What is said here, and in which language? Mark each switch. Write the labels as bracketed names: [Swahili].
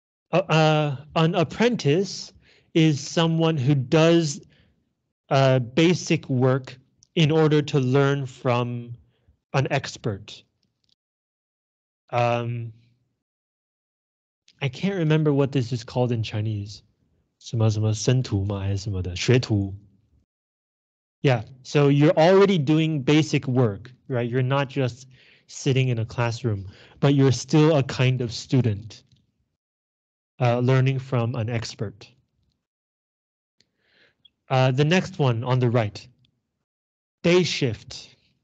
[English] An apprentice is someone who does basic work in order to learn from an expert. I can't remember what this is called in Chinese. [Chinese] 什么什么生徒吗？还是什么的？学徒。 [English] Yeah, so you're already doing basic work, right? You're not just sitting in a classroom, but you're still a kind of student, learning from an expert. The next one on the right, day shift.